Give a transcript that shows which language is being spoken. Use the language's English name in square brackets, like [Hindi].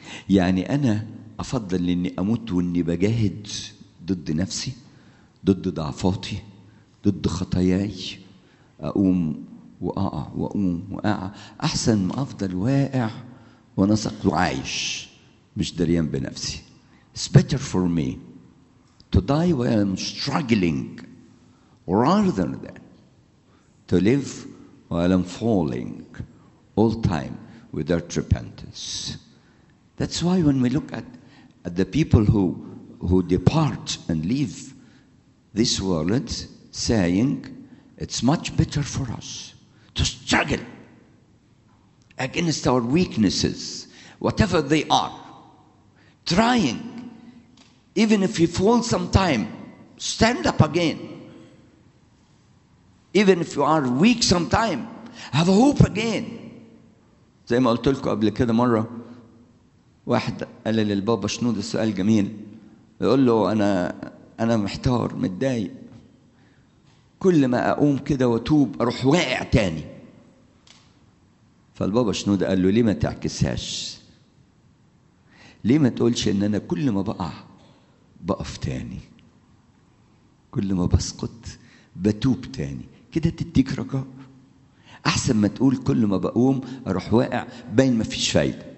[Arabic] يعني انا افضل اني اموت واني بجاهد ضد نفسي، ضد ضعفاتي، ضد خطاياي، اقوم واقع واقوم واقع، احسن ما افضل واقع وانا سقط وعايش مش دريان بنفسي. [English] It's better for me to die while I'm struggling rather than that, to live while I'm falling all time without repentance. That's why when we look at the people who depart and leave this world saying it's much better for us to struggle against our weaknesses, whatever they are, trying. Even if you fall sometime, stand up again. Even if you are weak sometime, have a hope again. [Arabic] زي ما قلت لكم قبل كده مرة، واحد قال للبابا شنود السؤال جميل، يقول له أنا محتار متضايق، كل ما أقوم كده وأتوب أروح واقع تاني. فالبابا شنود قال له ليه ما تعكسهاش؟ ليه ما تقولش إن أنا كل ما بقع بقف تاني، كل ما بسقط بتوب تاني؟ كده تديك رجاء احسن ما تقول كل ما بقوم اروح واقع باين ما فيش فايده.